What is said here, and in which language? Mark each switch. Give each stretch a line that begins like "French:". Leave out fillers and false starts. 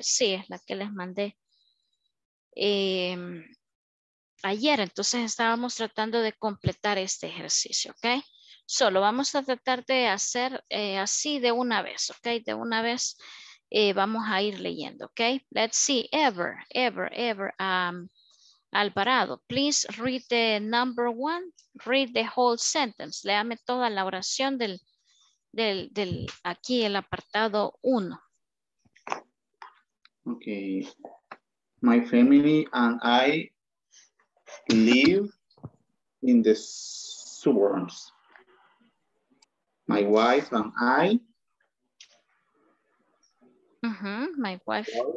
Spanish: Sí, es la que les mandé ayer. Entonces estábamos tratando de completar este ejercicio, ¿ok? Solo vamos a tratar de hacer así de una vez, ¿ok? De una vez vamos a ir leyendo, ¿ok?
English: Let's see, ever. Alvarado, please read the number one, read the whole sentence.
Spanish: Léame toda la oración del aquí el apartado uno.
English: Okay. My family and I live in the suburbs. My wife and I. Mm-hmm. My wife.